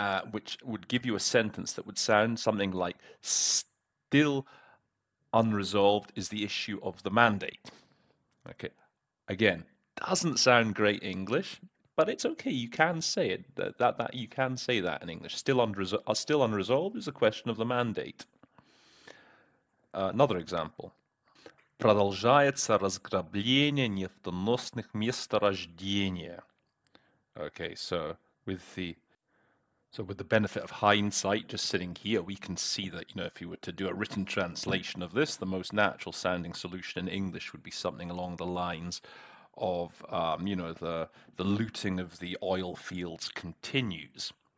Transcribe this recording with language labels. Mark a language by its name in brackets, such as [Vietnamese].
[English] which would give you a sentence that would sound something like, still unresolved is the issue of the mandate. Okay. Again, doesn't sound great English, but it's okay. You can say it. That you can say that in English. Still unresolved is a question of the mandate. Another example. [Russian] Продолжается разграбление нефтеносных месторождений. [English] Okay, so with the benefit of hindsight, just sitting here, we can see that, you know, if you were to do a written translation of this, the most natural sounding solution in English would be something along the lines of, you know, the looting of the oil fields continues.